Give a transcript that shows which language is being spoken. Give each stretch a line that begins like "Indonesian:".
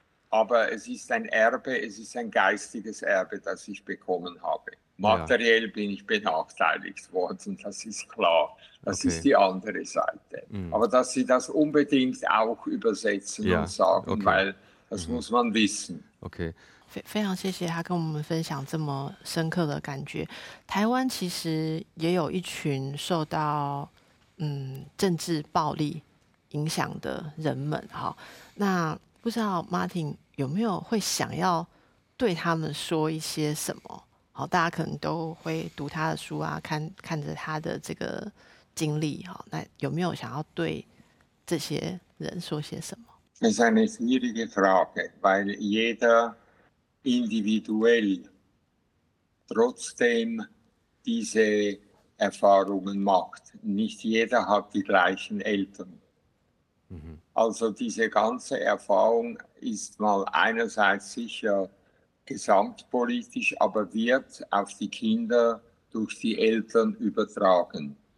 German: Aber es ist ein Erbe, es ist ein geistiges Erbe, das ich bekommen habe. Materiell bin ich benachteiligt worden, das ist klar. Das ist die andere Seite. Mhm. Aber dass Sie das unbedingt auch übersetzen und sagen, weil das muss man wissen. Okay.
Chinese: 非常谢谢他跟我们分享这么深刻的感觉。台湾其实也有一群受到政治暴力影响的人们，那不知道 Martin 有没有会想要对他们说一些什么？好，大家可能都会读他的书啊，看着他的这个经历，那有没有想要对这些人说些什么？
German: Das ist eine schwierige Frage, weil jeder individuell trotzdem diese Erfahrungen macht. Nicht jeder hat die gleichen Eltern. Also diese ganze Erfahrung ist mal einerseits sicher gesamtpolitisch, aber wird auf die Kinder durch die Eltern übertragen.